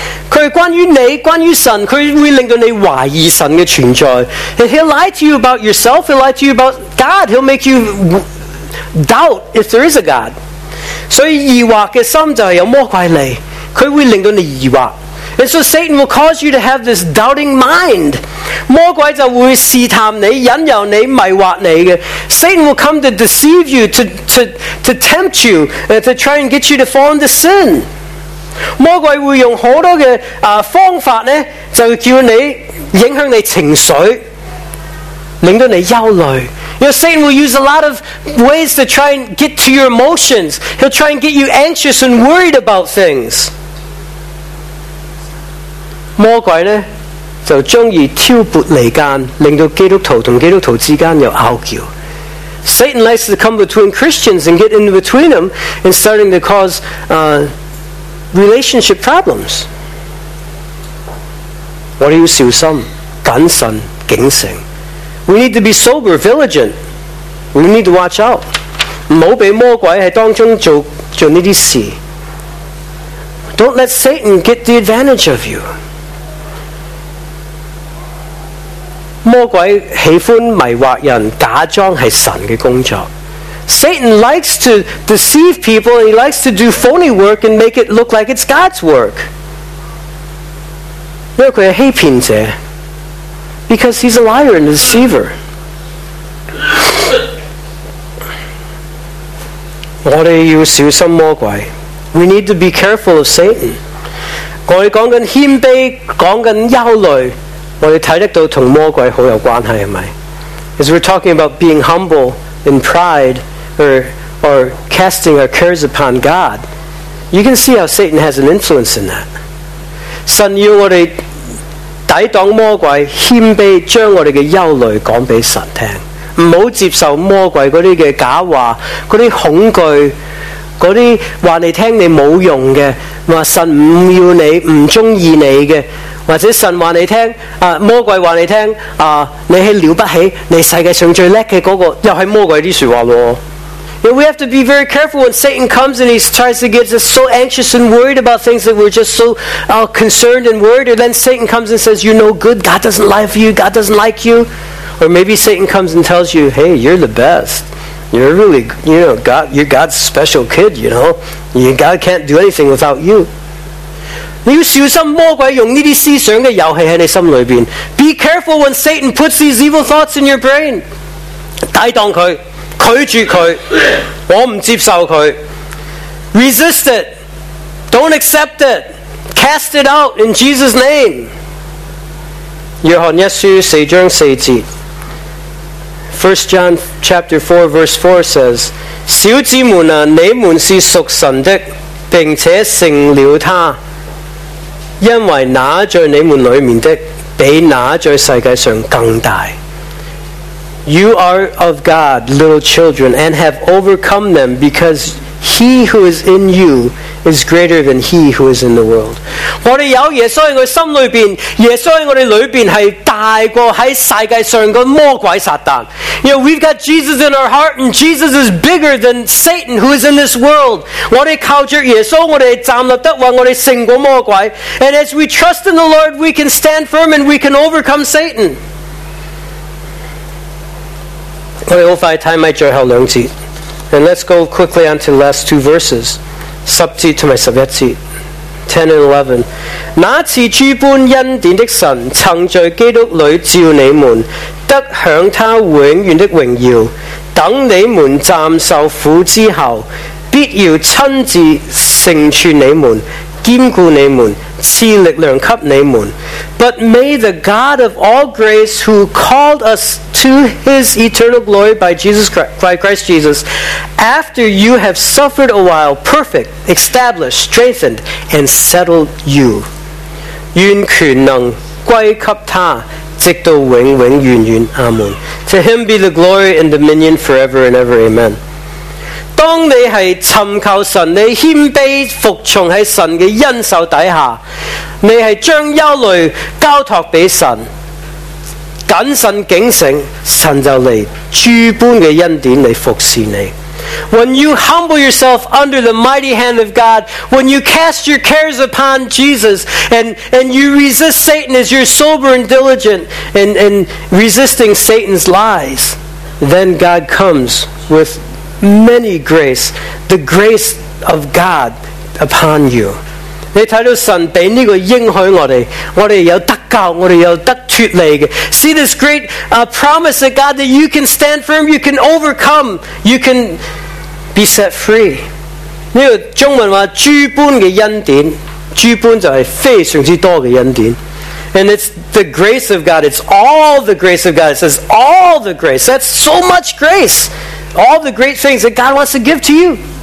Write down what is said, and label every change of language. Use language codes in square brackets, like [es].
[yue] 他关于你，关于神，他会令到你怀疑神的存在。 [en] And he'll lie to you about yourself, he'll lie to you about... God, he'll make you doubt if there is a God. [yue] 所以疑惑的心就是有魔鬼来，他会令到你疑惑。 [en] And so Satan will cause you to have this doubting mind. [yue] 魔鬼就会试探你，引诱你，迷惑你。 [en] Satan will come to deceive you, to tempt you, to try and get you to fall into sin. [yue] 魔鬼会用很多的方法呢，就叫你影响你情绪，令到你忧虑。 [en] You know, Satan will use a lot of ways to try and get to your emotions. He'll try and get you anxious and worried about things. [yue] 魔鬼呢，就将而挑拨离间，令到基督徒同基督徒之间有拗撬。 [en] Satan likes to come between Christians and get in between them and starting to cause relationship problems. [yue] 我要小心、谨慎、警醒。 [en] We need to be sober, vigilant. We need to watch out. [yue] 不要被魔鬼在当中做这些事。 [en] Don't let Satan get the advantage of you. [yue] 魔鬼喜欢迷惑人，假装是神的工作。 [en] Satan likes to deceive people, and he likes to do phony work and make it look like it's God's work. [yue] 因为他是欺骗者。 [en] Because he's a liar and a deceiver. [yue] 我们要小心魔鬼。 [en] We need to be careful of Satan. [yue] 我们讲紧谦卑，讲紧忧虑，我们睇得到同魔鬼好有关系，系咪？ [en] As we're talking about being humble and pride, or casting our cares upon God, you can see how Satan has an influence in that. [yue] 神要我们抵挡魔鬼，谦卑将我们的忧虑讲给神听，不要接受魔鬼那些假话，那些恐惧，那些话你听你没用的，说神不要你，不喜欢你的，或者神话你听魔鬼话你听你是了不起，你世界上最厉害的那个，又是魔鬼的说话咯。 [en] Yeah, we have to be very careful when Satan comes and he tries to get us so anxious and worried about things that we're just so concerned and worried. And then Satan comes and says, you're no good. God doesn't lie for you. God doesn't like you. Or maybe Satan comes and tells you, hey, you're the best. You're really, you know, God, you're God's special kid, you know. God can't do anything without you. [yue] 你要小心魔鬼用这些思想的游戏在你心里面。 [en] Be careful when Satan puts these evil thoughts in your brain. [yue] 抵挡他。拒绝他，我不接受他。 [en] Resist it. Don't accept it. Cast it out in Jesus' name. [yue] 约翰一书四章四节。 [en] First John chapter 4 verse 4 says, [yue] 小子们啊，你们是属神的，并且胜了他，因为那在你们里面的，比那在世界上更大。 [en] You are of God, little children, and have overcome them, because he who is in you is greater than he who is in the world. [yue] 我们有耶稣在我们心里面，耶稣在我们里面是大过在世界上的魔鬼撒旦。 [en] You know, we've got Jesus in our heart, and Jesus is bigger than Satan who is in this world. [yue] 我们靠着耶稣，我们站立得稳，我们胜过魔鬼。 [en] And as we trust in the Lord, we can stand firm and we can overcome Satan. [yue] 我们很快看到最后两节， [en] and let's go quickly on to the last two verses， [yue] 十节和十一节， [en] 10 and 11。 [yue] 那赐诸般恩典的神曾在基督里召你们得享他永远的荣耀，等你们暂受苦之后，必要亲自成全你们，坚固你们，赐力量给你们。 [en] But may the God of all grace, who called us to his eternal glory by Jesus Christ, Christ Jesus, after you have suffered a while, perfect, established, strengthened, and settled you. [yue] 愿权能归给他，直到永永远远。阿门。 [en] To him be the glory and dominion forever and ever. Amen. [yue] 当你是寻求神，你谦卑服从在神的恩手底下，你是将忧虑交托给神，谨慎警醒，神就来诸般的恩典来服侍你。 [en] When you humble yourself under the mighty hand of God, when you cast your cares upon Jesus, and you resist Satan as you're sober and diligent and resisting Satan's lies, then God comes withmany grace, the grace of God upon you. [yue] 你看到神给这个应许我们，我们有得救，我们有得脱离的。 [en] See this great promise of God that you can stand firm, you can overcome, you can be set free. [yue] 这个中文说诸般的恩典，诸般就是非常之多的恩典。 [en] And it's the grace of God. It's all the grace of God. It says all the grace. That's so much grace. All the great things that God wants to give to you.